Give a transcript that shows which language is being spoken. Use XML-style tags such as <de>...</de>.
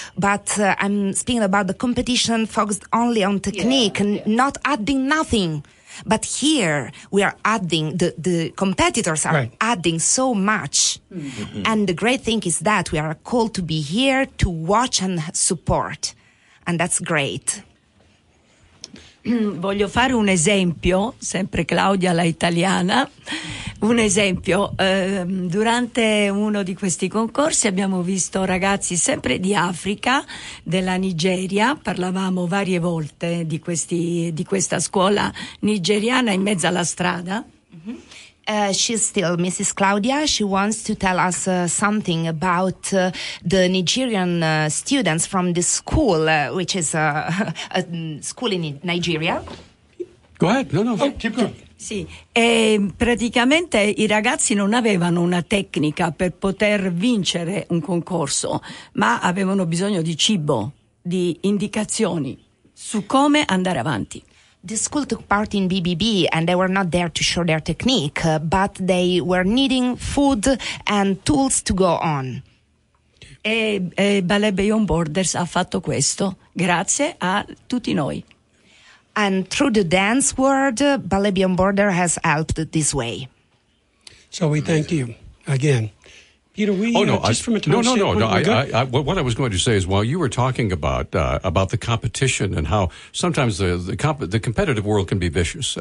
<en>But I'm speaking about the competition focused only on technique and not adding nothing. But here we are adding, the competitors are adding so much. Mm-hmm. And the great thing is that we are called to be here to watch and support. And that's great.</en> <it>Voglio fare un esempio, sempre Claudia la italiana. Un esempio, durante uno di questi concorsi abbiamo visto ragazzi sempre di Africa, della Nigeria, parlavamo varie volte di questi di questa scuola nigeriana in mezzo alla strada.</it> <en>She's still Mrs. Claudia. She wants to tell us something about the Nigerian students from the school, which is a school in Nigeria. Go ahead. No. Oh, keep going.</en> <it>Sì, e praticamente i ragazzi non avevano una tecnica per poter vincere un concorso, ma avevano bisogno di cibo, di indicazioni su come andare avanti.</it> <en>The school took part in BBB and they were not there to show their technique, but they were needing food and tools to go on.</en> <it>E Ballet Beyond Borders ha fatto questo grazie a tutti noi.</it> <en>And through the dance world, Ballet Beyond Borders has helped this way. So we thank you again. Peter, we what I was going to say is while you were talking about the competition and how sometimes the competitive world can be vicious.</en>